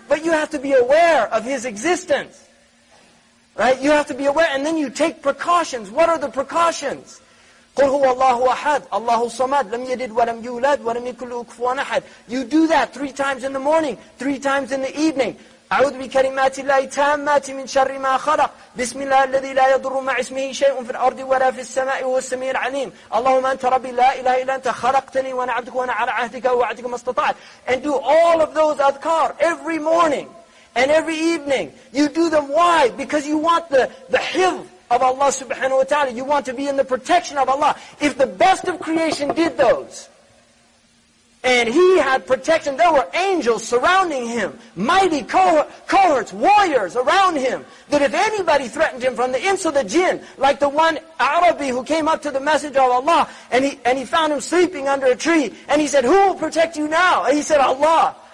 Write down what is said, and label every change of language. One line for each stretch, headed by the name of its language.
English: But you have to be aware of His existence. Right? You have to be aware. And then you take precautions. What are the precautions?
Arabic: قُلْ هُوَ اللَّهُ أَحَدْ اللَّهُ الصَّمَدْ لَمْ يَلِدْ وَلَمْ يُولَدْ وَلَمْ يَكُنْ لَهُ كُفُوًا أَحَدْ.
English: You do that 3 times in the morning, 3 times in the evening.
Arabic: أعوذ بكلمات الله التامات من شر ما خلق بسم الله الذي لا يضر مع اسمه شيء في الأرض ولا في السماء وهو السميع العليم اللهم أنت ربي لا إله إلا أنت خلقتني وأنا عبدك وأنا على عهدك ووعدك ما استطعت.
English: And do all of those adhkar every morning. And every evening, you do them. Why? Because you want the hifz of Allah subhanahu wa ta'ala. You want to be in the protection of Allah. If the best of creation did those, and He had protection, there were angels surrounding Him, mighty cohorts, warriors around Him, that if anybody threatened Him from the ins of the jinn, like the one Arabi who came up to the Messenger of Allah, and he found him sleeping under a tree, and he said, "Who will protect you now?" And he said, "Allah."